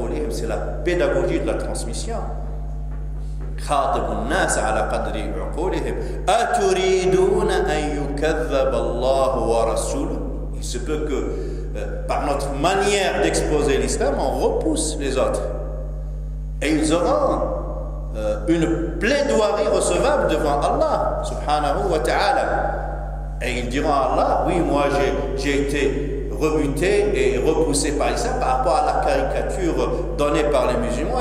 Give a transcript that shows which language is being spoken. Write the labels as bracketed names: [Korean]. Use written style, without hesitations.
[French] C'est la pédagogie de la transmission. [Arabic] خاطب الناس على قدر عقولهم أتريدون أن يكذب الله ورسوله. [French] Il se peut que par notre manière d'exposer l'islam, on repousse les autres. Et ils auront une plaidoirie recevable devant Allah subhanahu wa ta'ala. Et ils diront à Allah, oui, moi j'ai été rebuté et repoussé par l'islam par rapport à la caricature donnée par les musulmans.